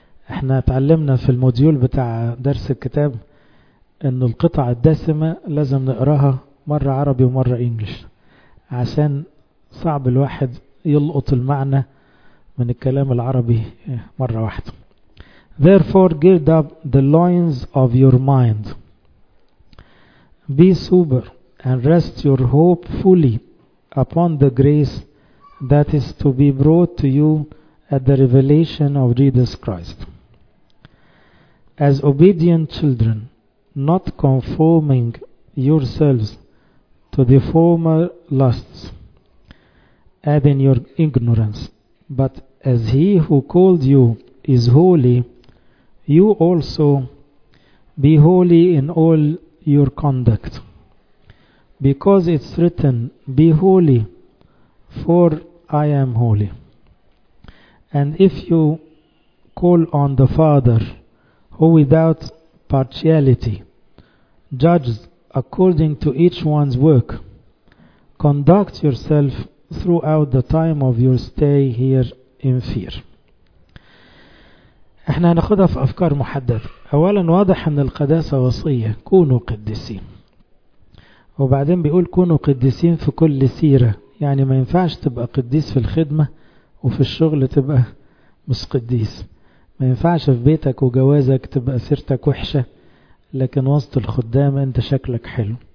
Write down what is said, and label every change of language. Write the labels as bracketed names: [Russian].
[Arabic] احنا تعلمنا في الموديول بتاع درس الكتاب ان القطع الدسمة لازم نقراها مرة عربي ومرة انجليش، عشان صعب الواحد يلقط المعنى من الكلام العربي مرة واحدة. [English] Therefore, gird up the loins of your mind. Be sober and rest your hope fully upon the grace that is to be brought to you at the revelation of Jesus Christ. As obedient children, not conforming yourselves to the former lusts, adding your ignorance, but as he who called you is holy, you also be holy in all your conduct, because it's written, be holy, for I am holy. And if you call on the Father, who without partiality judges according to each one's work, conduct yourself throughout the time of your stay here in fear. [Arabic] احنا هناخدها في افكار محددة. اولا واضح ان القداسة وصية، كونوا قديسين، وبعدين بيقول كونوا قديسين في كل سيرة، يعني ما ينفعش تبقى قديس في الخدمة وفي الشغل تبقى مش قديس، ما ينفعش في بيتك وجوازك تبقى سيرتك وحشة لكن وسط الخدام انت شكلك حلو.